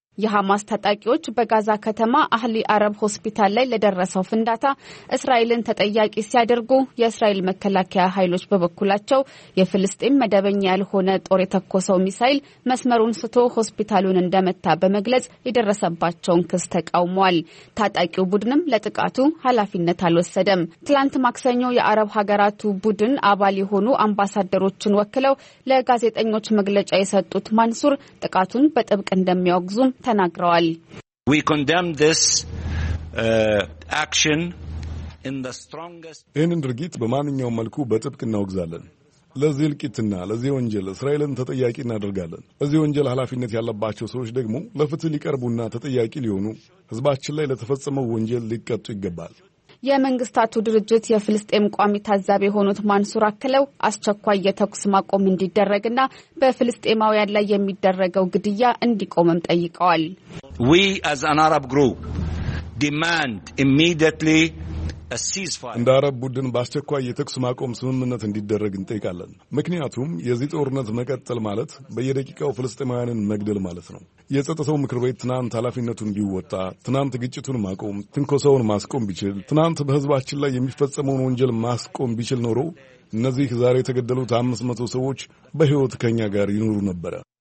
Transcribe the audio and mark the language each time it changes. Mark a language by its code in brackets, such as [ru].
[am] የሐማስ ታጣቂዎች በጋዛ ከተማ አህሊ አረብ ሆስፒታል ላይ ለደረሰው ፍንዳታ እስራኤልን ተጠያቂ ሲያደርጉ፣ የእስራኤል መከላከያ ኃይሎች በበኩላቸው የፍልስጤም መደበኛ ያልሆነ ጦር የተኮሰው ሚሳኤል መስመሩን ስቶ ሆስፒታሉን እንደመታ በመግለጽ የደረሰባቸውን ክስ ተቃውሟል። ታጣቂው ቡድንም ለጥቃቱ ኃላፊነት አልወሰደም። ትላንት ማክሰኞ የአረብ ሀገራቱ ቡድን አባል የሆኑ አምባሳደሮችን ወክለው ለጋዜጠኞች መግለጫ የሰጡት ማንሱር ጥቃቱን በጥብቅ እንደሚያወግዙ ተናግረዋል። [en] We condemn this action in the strongest. [am] ይህንን ድርጊት በማንኛውም መልኩ በጥብቅ እናወግዛለን። ለዚህ እልቂትና ለዚህ ወንጀል እስራኤልን ተጠያቂ እናደርጋለን። ለዚህ ወንጀል ኃላፊነት ያለባቸው ሰዎች ደግሞ ለፍትህ ሊቀርቡና ተጠያቂ ሊሆኑ፣ ህዝባችን ላይ ለተፈጸመው ወንጀል ሊቀጡ ይገባል። የመንግስታቱ ድርጅት የፍልስጤም ቋሚ ታዛቢ የሆኑት ማንሱር አክለው አስቸኳይ የተኩስ ማቆም እንዲደረግና በፍልስጤማውያን ላይ የሚደረገው ግድያ እንዲቆምም ጠይቀዋል። [en] We as an Arab group demand immediately a ceasefire. [am] እንደ አረብ ቡድን በአስቸኳይ የተኩስ ማቆም ስምምነት እንዲደረግ እንጠይቃለን። ምክንያቱም የዚህ ጦርነት መቀጠል ማለት በየደቂቃው ፍልስጤማውያንን መግደል ማለት ነው። የጸጥታው ምክር ቤት ትናንት ኃላፊነቱን ቢወጣ፣ ትናንት ግጭቱን ማቆም ትንኮሳውን ማስቆም ቢችል፣ ትናንት በህዝባችን ላይ የሚፈጸመውን ወንጀል ማስቆም ቢችል ኖሮ እነዚህ ዛሬ የተገደሉት 500 ሰዎች በሕይወት ከኛ ጋር ይኖሩ ነበር።